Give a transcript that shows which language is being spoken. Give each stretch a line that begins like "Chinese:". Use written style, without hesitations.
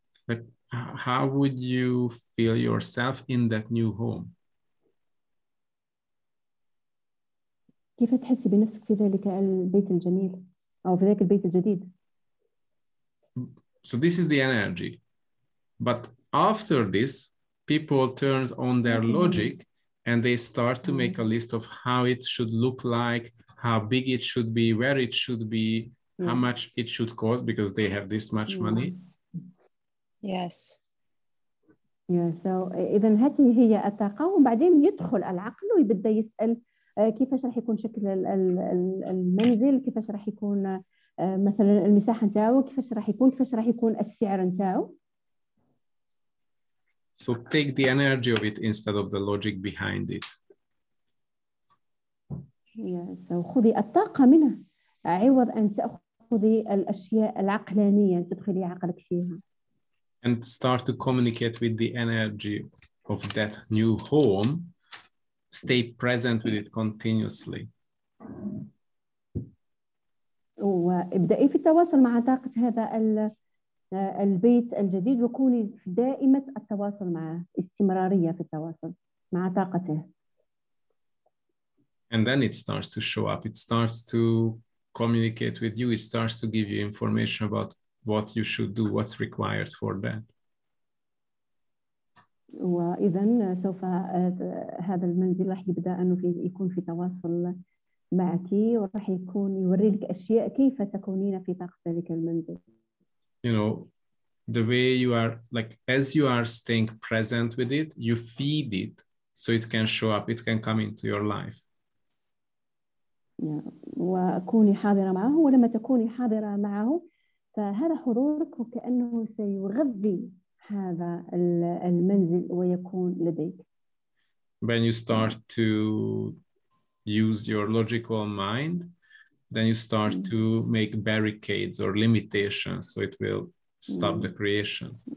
English: But how would you feel yourself in that new home?
Arabic: كيف تحس بنفسك في ذلك البيت الجميل أو في ذلك البيت الجديد؟
English: So this is the energy. But after this, people turn on their logic and they start to make a list of how it should look like, how big it should be, where it should be, how much it should cost because they have this much money. Yes. Yeah, so
Arabic: إذن هذه هي الطاقة وبعدين يدخل العقل ويبدأ يسأل كيفاش راح يكون شكل المنزل كيفاش راح يكون مثلا المساحه نتاعو كيفاش راح يكون السعر نتاعو.
English: So take the energy of it instead of the logic behind it. Yes.
Arabic: So خذي الطاقه منه عوض ان تاخذي الاشياء العقلانيه تدخلي عقلك فيها.
English: And start to communicate with the energy of that new home. Stay present with it continuously.
Arabic: وابدأي في التواصل مع طاقة هذا البيت الجديد وكوني دائمة التواصل معه استمرارية في التواصل مع طاقته.
English: And then it starts to show up. It starts to communicate with you. It starts to give you information about what you should do, what's required for that.
Arabic: وإذا سوف هذا المنزل راح يبدأ أنه في يكون في تواصل معك وراح يكون يوري لك أشياء كيف تكونين في طاقة ذلك المنزل.
English: You know, the way you are, like as you are staying present with it, you feed it so it can show up, it can come into your life. Yeah.
Arabic: وكوني حاضرة معه ولما تكوني حاضرة معه فهذا حضورك وكأنه سيغذي هذا المنزل ويكون لديك.
English: When you start to use your logical mind, then you start to make barricades or limitations, so it will stop the creation.